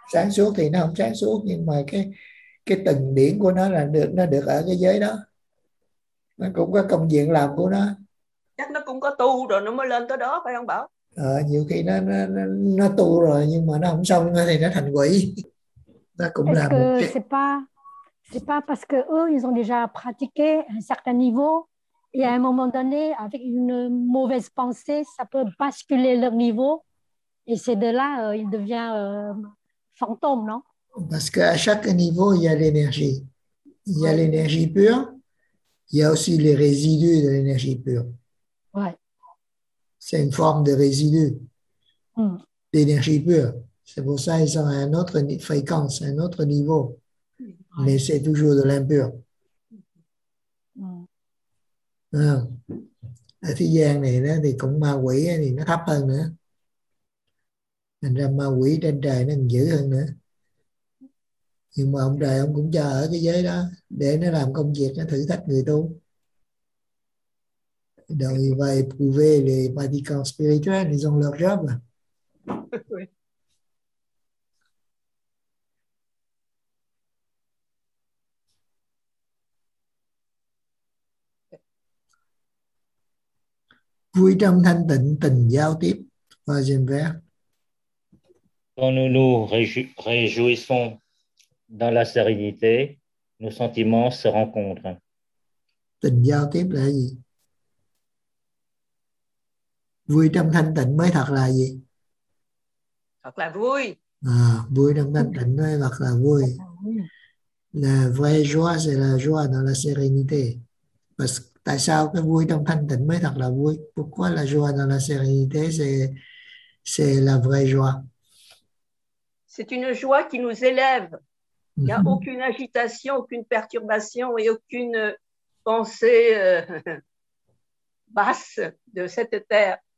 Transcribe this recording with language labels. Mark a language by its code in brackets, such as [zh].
[vi] sáng suốt thì nó không sáng suốt, nhưng mà cái từng điển của nó là được, nó được ở cái giới đó, nó cũng có công việc làm của nó, chắc nó cũng có tu rồi nó mới lên tới đó phải không bảo? Nhiều khi nó tu rồi nhưng mà nó không xong thì nó thành quỷ, nó cũng làm một cái. [fr] C'est pas parce que eux ils ont déjà pratiqué un certain niveau et à un moment donné avec une mauvaise pensée ça peut basculer leur niveau et c'est de là ils deviennent fantômes, non? Parce qu'à chaque niveau, il y a l'énergie. Il y a l'énergie pure, il y a aussi les résidus de l'énergie pure. Ouais. C'est une forme de résidu d'énergie pure. C'est pour ça qu'ils ont une autre fréquence, un autre niveau. Ouais. Mais c'est toujours de l'impur. Ouais. [vi] À thế gian này, là, thì cũng ma quỷ, thì nó thấp hơn nữa. Thành ra ma quỷ trên trời nó dữ hơn nữa. Nhưng mà ông trời ông cũng chờ ở cái giới đó để nó làm công việc, nó thử thách người tu. [fr] Donc il va éprouver les pratiquants spirituels, ils ont leur job. [vi] Vui trong thanh tịnh tình giao tiếp. [fr] Troisième vers. Quand nous nous réjouissons dans la sérénité, nos sentiments se rencontrent. [vi] Tình giao tiếp là gì? Vui trong thanh tịnh mới thật là gì? Thật là vui. À, vui trong thanh tịnh mới thật là vui. [fr] La vraie joie, c'est la joie dans la sérénité. [vi] Tại sao cái vui trong thanh tịnh mới thật là vui? [fr] Pourquoi la joie dans la sérénité, c'est la vraie joie? C'est une joie qui nous élève. Il n'y a aucune agitation, aucune perturbation et aucune pensée basse de cette terre.